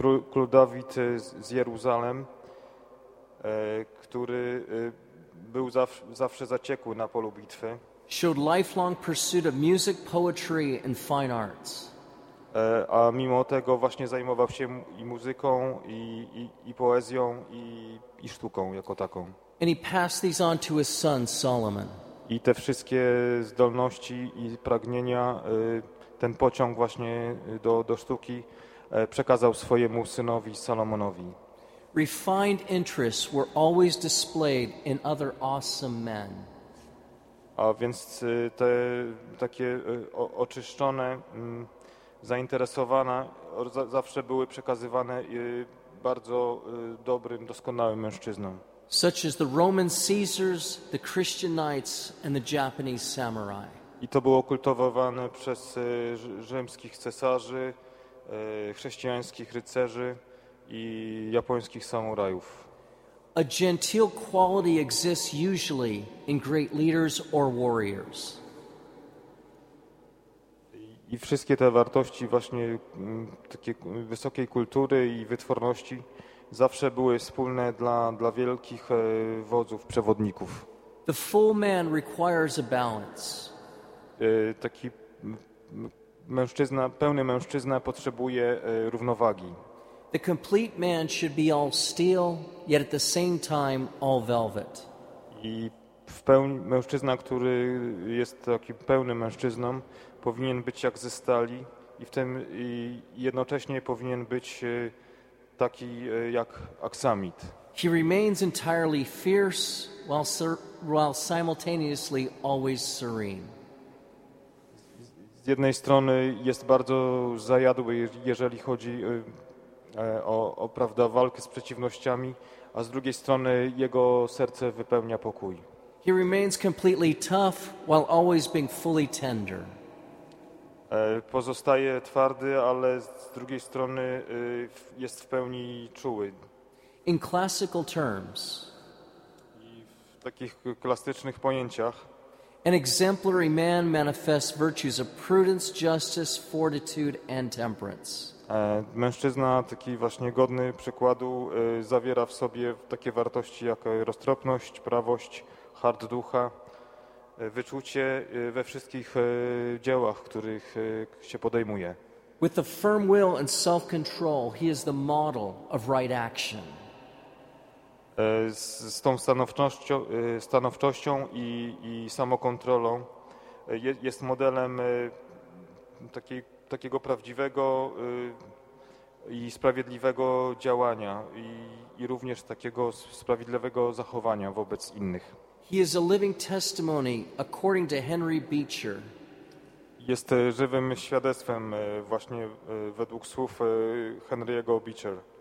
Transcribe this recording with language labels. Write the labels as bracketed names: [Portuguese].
[Polish] Król Dawid z Jeruzalem, który był zawsze zaciekły na polu bitwy. [English] Showed lifelong pursuit of music, poetry and fine arts. [Polish] A mimo tego właśnie zajmował się i muzyką, i poezją, i sztuką jako taką. [English] And he passed these on to his son Solomon. [Polish] I te wszystkie zdolności i pragnienia, ten pociąg właśnie do sztuki przekazał swojemu synowi Salomonowi. [English] Refined interests were always displayed in other awesome men. [Polish] A więc te takie oczyszczone zainteresowana zawsze były przekazywane bardzo dobrym, doskonałym mężczyznom. [English] Such as the Roman Caesars, the Christian Knights and the Japanese Samurai. [Polish] I to było kultowowane przez rzymskich cesarzy, chrześcijańskich rycerzy i japońskich samurajów. [English] A genteel quality exists usually in great leaders or warriors. [Polish] I wszystkie te wartości właśnie takiej wysokiej kultury i wytworności zawsze były wspólne dla wielkich wodzów, przewodników. [English] The full man requires a balance. [Polish] Taki mężczyzna, pełny mężczyzna potrzebuje równowagi. [English] The complete man should be all steel, yet at the same time all velvet. [Polish] I w pełni, mężczyzna, który jest takim pełnym mężczyzną, powinien być jak ze stali i w tym i jednocześnie powinien być taki jak aksamit. [English] He remains entirely fierce while simultaneously always serene. [Polish] Z jednej strony jest bardzo zajadły, jeżeli chodzi o prawda, walkę z przeciwnościami, a z drugiej strony jego serce wypełnia pokój. [English] He remains completely tough while always being fully tender. [Polish] Pozostaje twardy, ale z drugiej strony jest w pełni czuły. [English] In classical terms, [Polish] w takich klasycznych pojęciach, [English] an exemplary man manifests virtues of prudence, justice, fortitude and temperance. [Polish] Mężczyzna taki właśnie godny przykładu zawiera w sobie takie wartości jak roztropność, prawość, hart ducha, wyczucie we wszystkich dziełach, których się podejmuje. [English] With a firm will and self-control, he is the model of right action. [Polish] Z tą stanowczością i samokontrolą jest modelem takiego prawdziwego i sprawiedliwego działania i również takiego sprawiedliwego zachowania wobec innych. [English] He is a living testimony, according to Henry Beecher. [Polish] Jest żywym świadectwem właśnie według słów Henry'ego Beecher.